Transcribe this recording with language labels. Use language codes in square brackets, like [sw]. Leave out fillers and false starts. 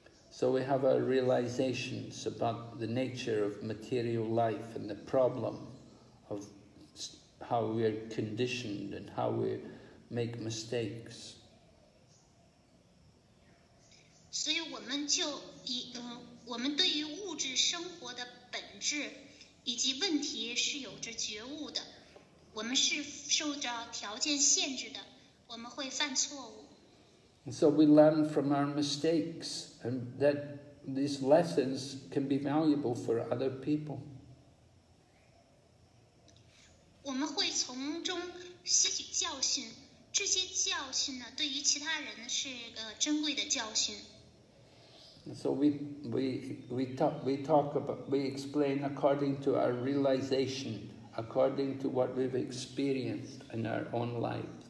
[en] So we have our realizations about the nature of material life and the problem of how we are conditioned and how we make mistakes. [zh] 所以我们就以我们对于物质生活的本质以及问题是有着觉悟的，我们是受着条件限制的，我们会犯错误。 [en] So we learn from our mistakes, and that these lessons can be valuable for other people. [zh] 我们会从中吸取教训，这些教训呢，对于其他人是个珍贵的教训。 [en] So we explain according to our realization, according to what we've experienced in our own life.